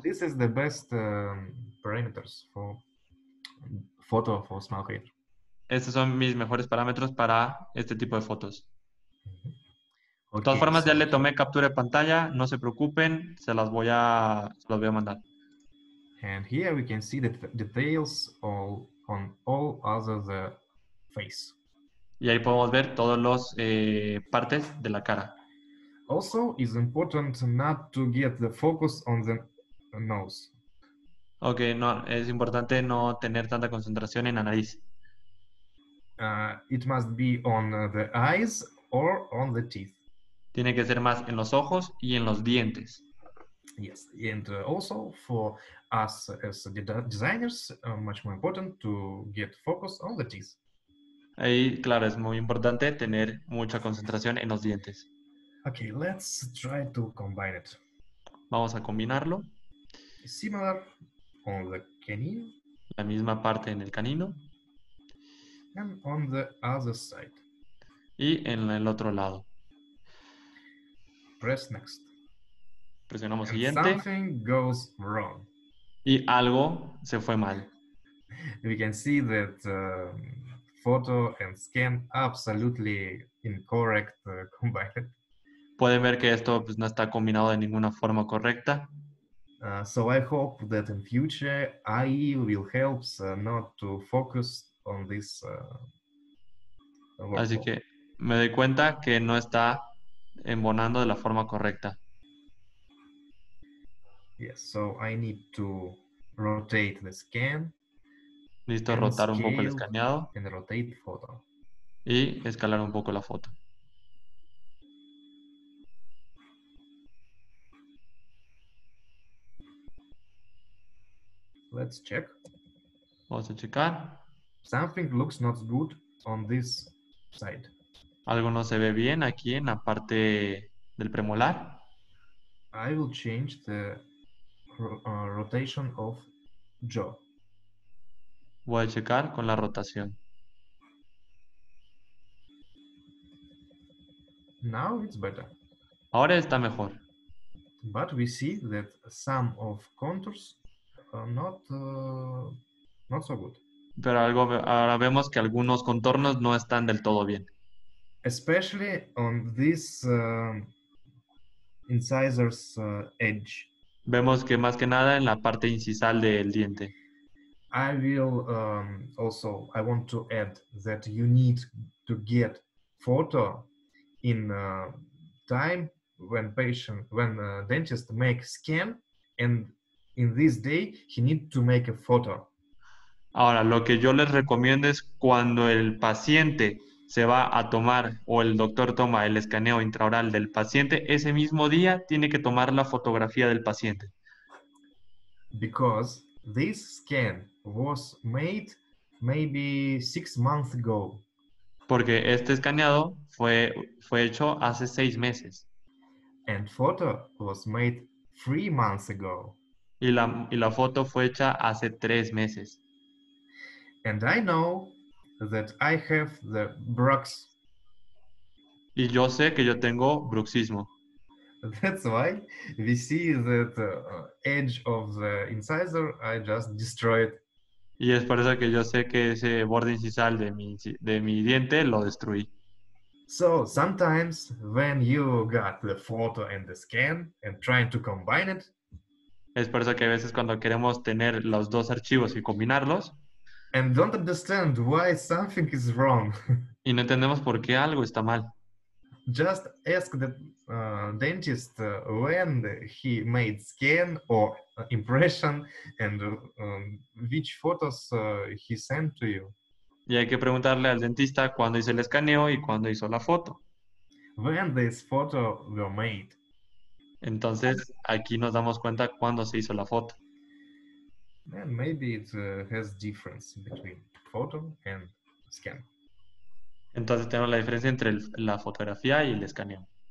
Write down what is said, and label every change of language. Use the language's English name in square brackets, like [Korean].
[English] This is the best parameters for photo for small creator. [Spanish] Estos son mis mejores parámetros para este tipo de fotos. De todas formas, ya le tomé captura de pantalla. No se preocupen, se las voy a mandar. [English] And here we can see the details all on all other the face. [Spanish] Y ahí podemos ver todos los partes de la cara. [English] Also, it's important not to get the focus on the nose. [Spanish] Okay, no, es importante no tener tanta concentración en la nariz. [English] It must be on the eyes or on the teeth. [Spanish] Tiene que ser más en los ojos y en los dientes. [English] Yes, and also for us as designers, much more important to get focus on the teeth. [Spanish] Ahí, claro, es muy importante tener mucha concentración en los dientes. [English] Okay, let's try to combine it. [Spanish] Vamos a combinarlo. [English] Similar on the canine. [Spanish] La misma parte en el canino. [English] And on the other side. [Spanish] Y en el otro lado. [English] Press next. [Spanish] Presionamos siguiente. [English] Something goes wrong. [Spanish] Y algo se fue mal. [English] We can see that photo and scan absolutely incorrect combined. [Spanish] Pueden ver que esto pues, no está combinado de ninguna forma correcta. [English] So I hope that in future AI will help not to focus on this. [Spanish] Así que me doy cuenta que no está embonando de la forma correcta. [English] Yes, so I need to rotate the scan. [Spanish] Listo, rotar un poco el escaneado. [English] And rotate photo. [Spanish] Y escalar un poco la foto. [English] Let's check. [Spanish] Vamos a checar. [English] Something looks not good on this side. [Spanish] Algo no se ve bien aquí en la parte del premolar. [English] I will change the rotation of jaw. [Spanish] Voy a checar con la rotación. [English] Now it's better. [Spanish] Ahora está mejor. [English] But we see that some of contours are not so good. [Spanish] Pero algo, ahora vemos que algunos contornos no están del todo bien. [English] Especially on this incisor's edge. [Spanish] Vemos que más que nada en la parte incisal del diente. [English] I will also, I want to add that you need to get photo in time when patient, when dentist make scan, and in this day he need to make a photo. [Spanish] Ahora, lo que yo les recomiendo es cuando el paciente se va a tomar o el doctor toma el escaneo intraoral del paciente, ese mismo día tiene que tomar la fotografía del paciente. [English] Because this scan was made maybe 6 months ago. [Spanish] Porque este escaneado fue hecho hace 6 meses. [English] And photo was made 3 months ago. [Spanish] Y la foto fue hecha hace 3 meses. [English] And I know that I have the Bruxism. [Spanish] Y yo sé que yo tengo bruxismo. [English] That's why we see that the edge of the incisor I just destroyed. [Spanish] Y es por eso que yo sé que ese borde incisal de mi diente lo destruí. [English] So sometimes when you got the photo and the scan and trying to combine it. [Spanish] Es por eso que a veces cuando queremos tener los dos archivos y combinarlos. [English] And don't understand why something is wrong. [Spanish] Y no entendemos por qué algo está mal. [English] Just ask the dentist when he made scan or impression and which photos he sent to you. [Spanish] Y hay que preguntarle al dentista cuándo hizo el escaneo y cuándo hizo la foto. [English] When this photo was made. [Spanish] Entonces, aquí nos damos cuenta cuándo se hizo la foto. [English] And maybe it has difference between photo and scan. [Spanish] Entonces tenemos la diferencia entre la fotografía y el escaneo.